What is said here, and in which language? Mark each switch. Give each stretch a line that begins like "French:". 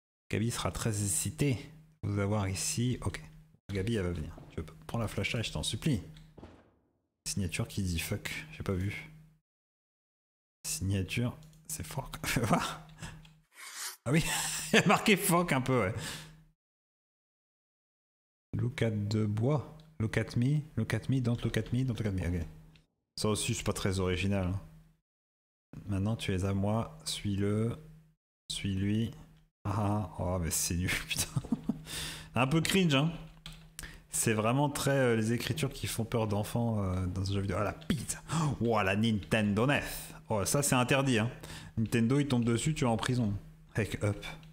French: Gabi sera très excitée de vous avoir ici. Ok. Gabi, elle va venir. Tu veux prendre la flashlight, je t'en supplie. Signature qui dit fuck, j'ai pas vu. Signature, c'est fuck. Fais voir. Ah oui, il y a marqué fuck un peu, ouais.
English: Look at the bois. Look at me, don't look at me, don't look at me.
French: Okay. Ça aussi, c'est pas très original. Maintenant, tu es à moi, suis-le, suis-lui. Ah, oh, mais c'est nul, putain. Un peu cringe, hein. C'est vraiment très les écritures qui font peur d'enfants dans ce jeu vidéo. Ah, la pizza. Oh, la Nintendo NES. Oh, ça, c'est interdit, hein. Nintendo, il tombe dessus, tu es en prison. Heck up.